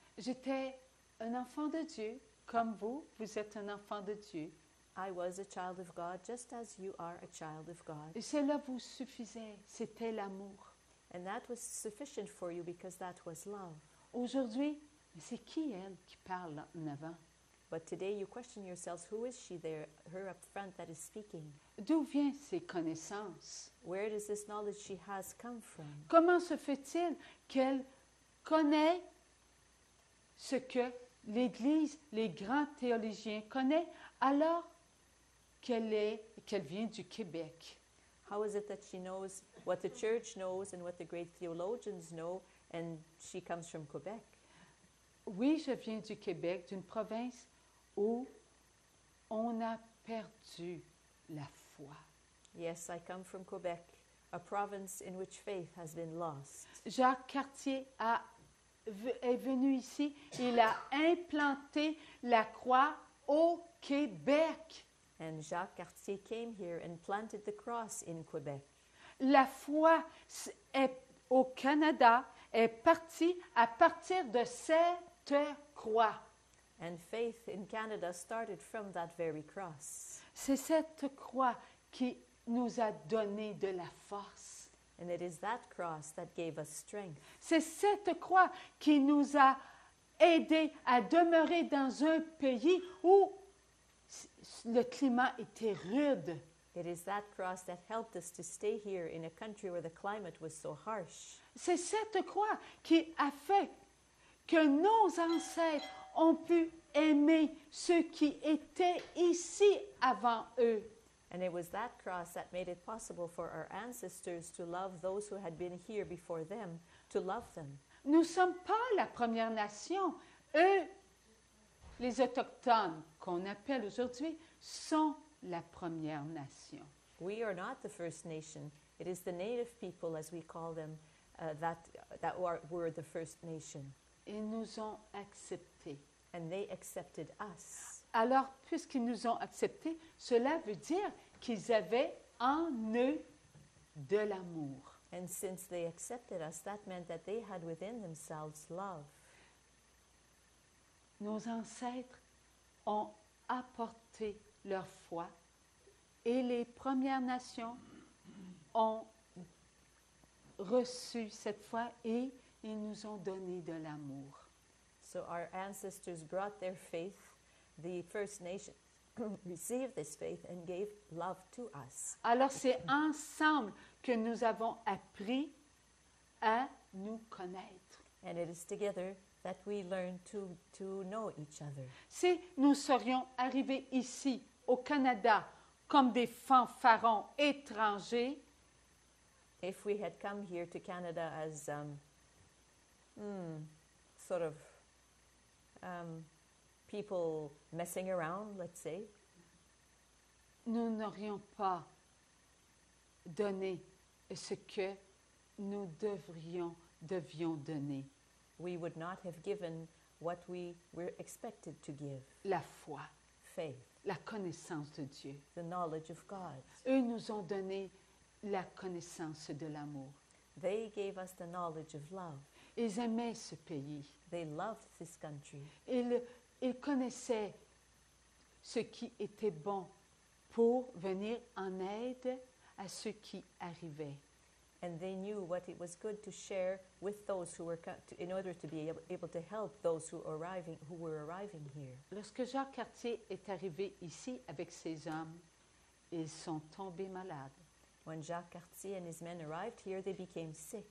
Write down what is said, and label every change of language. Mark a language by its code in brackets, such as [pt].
[fr] J'étais un enfant de Dieu, comme vous, vous êtes un enfant de Dieu. [en] I was a child of God, just as you are a child of God. [fr] Et cela vous suffisait, c'était l'amour. [en] And that was sufficient for you, because that was love. [fr] Aujourd'hui, c'est qui elle qui parle en avant? [en] But today you question yourselves, who is she there, her up front that is speaking? [fr] D'où vient ces connaissances? [en] Where does this knowledge she has come from? [fr] Comment se fait-il qu'elle connaît ce que l'Église, les grands théologiens connaissent, alors qu'elle vient du Québec. [en] How is it that she knows what the church knows and what the great theologians know, and she comes from Quebec? [fr] Oui, je viens du Québec, d'une province où on a perdu la foi. [en] Yes, I come from Quebec, a province in which faith has been lost. [fr] Jacques Cartier est venu ici, il a implanté la croix au Québec. [en] And Jacques Cartier came here and planted the cross in Quebec. [fr] La foi est au Canada est partie à partir de cette croix. [en] And faith in Canada started from that very cross. [fr] C'est cette croix qui nous a donné de la force. [en] And it is that cross that gave us strength. [fr] C'est cette croix qui nous a aidés à demeurer dans un pays où le climat était rude. [en] It is that cross that helped us to stay here in a country where the climate was so harsh. [fr] C'est cette croix qui a fait que nos ancêtres ont pu aimer ceux qui étaient ici avant eux. [en] And it was that cross that made it possible for our ancestors to love those who had been here before them, to love them. [fr] Nous sommes pas la première nation. Eux, les autochtones qu'on appelle aujourd'hui, sont la première nation. [en] We are not the first nation. It is the native people, as we call them, that were the first nation. [fr] Ils nous ont acceptés. [en] And they accepted us. [fr] Alors, puisqu'ils nous ont acceptés, cela veut dire qu'ils avaient en eux de l'amour. [en] And since they accepted us, that meant that they had within themselves love. [fr] Nos ancêtres ont apporté leur foi et les Premières Nations ont reçu cette foi et ils nous ont donné de l'amour. [en] So our ancestors brought their faith. The First Nations received this faith and gave love to us. [fr] Alors c'est ensemble que nous avons appris à nous connaître. [en] And it is together that we learn to know each other. [fr] Si nous serions arrivés ici au Canada comme des fanfarons étrangers, [en] if we had come here to Canada as sort of people messing around, let's say, [fr] nous n'aurions pas donné ce que nous devions donner. [en] We would not have given what we were expected to give. [fr] La foi. [en] Faith. [fr] La connaissance de Dieu. [en] The knowledge of God. [fr] Eux nous ont donné la connaissance de l'amour. [en] They gave us the knowledge of love. [fr] Ils aimaient ce pays. [en] They loved this country. [fr] Ils connaissaient ce qui était bon pour venir en aide à ceux qui arrivaient. [en] And they knew what it was good to share with those who were in order to be able to help those who were arriving here. [fr] Lorsque Jacques Cartier est arrivé ici avec ses hommes, ils sont tombés malades. [en] When Jacques Cartier and his men arrived here, they became sick.